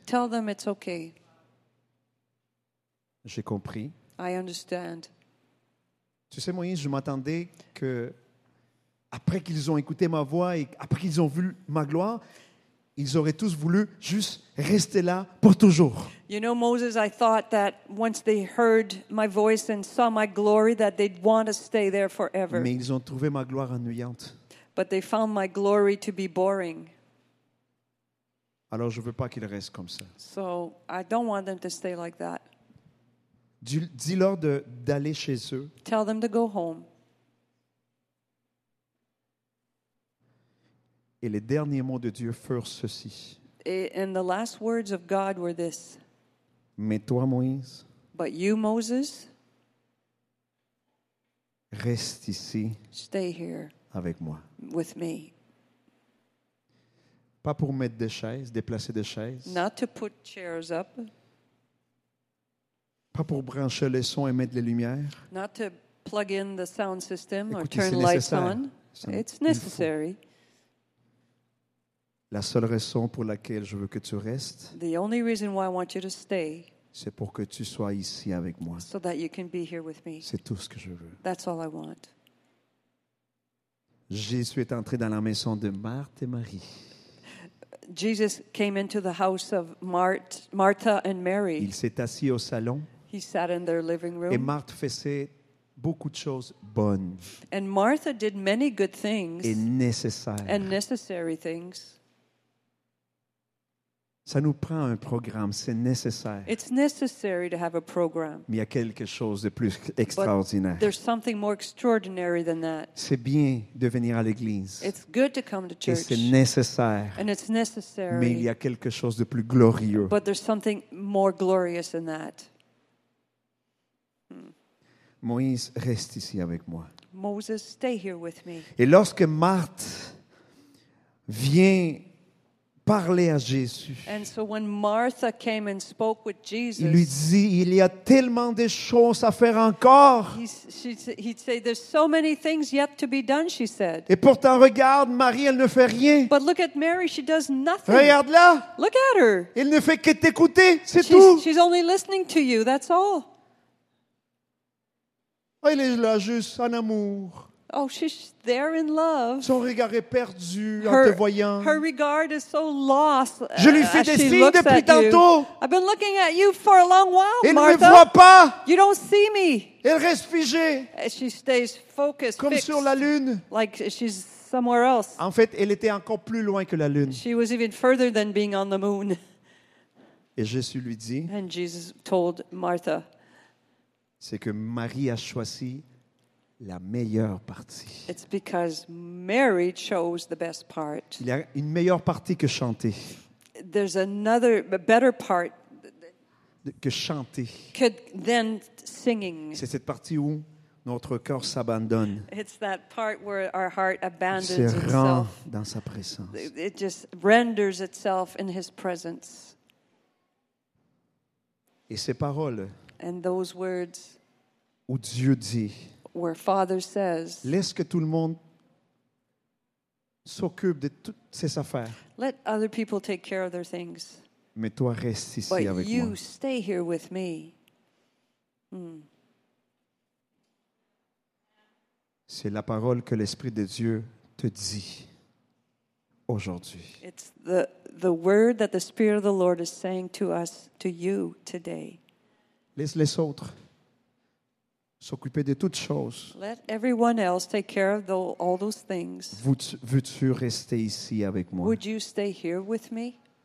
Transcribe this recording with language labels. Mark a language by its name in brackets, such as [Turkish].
[English] Tell them it's okay. [French] J'ai compris. [English] I understand. [French] Tu sais, Moïse, je m'attendais que après qu'ils ont écouté ma voix et après qu'ils ont vu ma gloire, ils auraient tous voulu juste rester là pour toujours. [English] You know, Moses, I thought that once they heard my voice and saw my glory, that they'd want to stay there forever. [French] Mais ils ont trouvé ma gloire ennuyante. [English] But they found my glory to be boring. [French] Alors, je ne veux pas qu'ils restent comme ça. [English] So, I don't want them to stay like that. [French] Dis-leur d'aller chez eux. [English] Tell them to go home. [French] Et les derniers mots de Dieu furent ceci. [English] And the last words of God were this. [French] Mais toi, Moïse. [English] But you, Moses. [French] Reste ici. [English] Stay here. [French] Avec moi. [English] With me. [French] Pas pour mettre des chaises, déplacer des chaises. [English] Not to put chairs up. [French] Pas pour brancher les sons et mettre les lumières. [English] Not to plug in the sound system. [French] Écoute, [English] or turn lights on. It's necessary. [French] Faut. La seule raison pour laquelle je veux que tu restes, [English] the only reason why I want you to stay, [French] c'est pour que tu sois ici avec moi. [English] So that you can be here with me. [French] C'est tout ce que je veux. [English] That's all I want. [French] Jésus est entré dans la maison de Marthe et Marie. [English] Jesus came into the house of Martha and Mary. [French] Il s'est assis au salon. [English] He sat in their living room. [French] Et Marthe faisait beaucoup de choses bonnes. [English] And Martha did many good things. [French] Et nécessaires. [English] And necessary things. [French] Ça nous prend un programme, c'est nécessaire. [English] It's necessary to have a program. [French] Mais il y a quelque chose de plus extraordinaire. [English] But there's something more extraordinary than that. [French] C'est bien de venir à l'église. [English] It's good to come to church. [French] Et c'est nécessaire. [English] And it's necessary. [French] Mais il y a quelque chose de plus glorieux. [English] But there's something more glorious than that. [French] Moïse, reste ici avec moi. [English] Moses, stay here with me. [French] Et lorsque Marthe vient parler à Jésus, [English] and so when Martha came and spoke with Jesus, [French] il lui dit, il y a tellement de choses à faire encore. [English] He'd say, there's so many things yet to be done, she said. [French] Et pourtant, regarde, Marie, elle ne fait rien. [English] But look at Mary, she does nothing. [French] Regarde-la. [English] Look at her. [French] Elle ne fait que t'écouter, c'est [English] she's, [French] tout. [English] She's only listening to you, that's all. [French] Elle est là juste en amour. [English] Oh, she's there in love. [French] Son regard est perdu en te voyant. [English] Her regard is so lost. [French] Je lui fais des signes depuis tantôt. [English] I've been looking at you for a long while, [French] Elle [English] Martha. [French] Elle ne me voit pas. [English] You don't see me. [French] Elle reste figée. [English] And she stays focused, [French] comme [English] fixed, [French] sur la lune. [English] Like she's somewhere else. [French] En fait, elle était encore plus loin que la lune. [English] She was even further than being on the moon. [French] Et Jésus lui dit. [English] And Jesus told Martha. [French] C'est que Marie a choisi la meilleure partie. [English] It's because Mary chose the best part. [French] Il y a une meilleure partie que chanter. [English] There's another better part [French] que chanter. [English] Que then singing. [French] C'est cette partie où notre cœur s'abandonne. [English] It's that part where our heart abandons itself. [French] Se rend [English] itself. [French] Dans sa présence. [English] It just renders itself in his presence. [French] Et ses paroles. [English] And those words [French] où Dieu dit, [English] where Father says, [French] laisse que tout le monde s'occupe de toutes ses affaires. [English] Let other people take care of their things. [French] Mais toi, reste ici [English] but [French] avec moi. [English] But you stay here with me. [French] C'est la parole que l'Esprit de Dieu te dit aujourd'hui. [English] It's the word that the Spirit of the Lord is saying to us, to you today. [French] Laisse les autres s'occuper de toutes choses. [English] Let everyone else take care of all those things. [French] Veux-tu rester ici avec moi? [English] Would you stay here with me?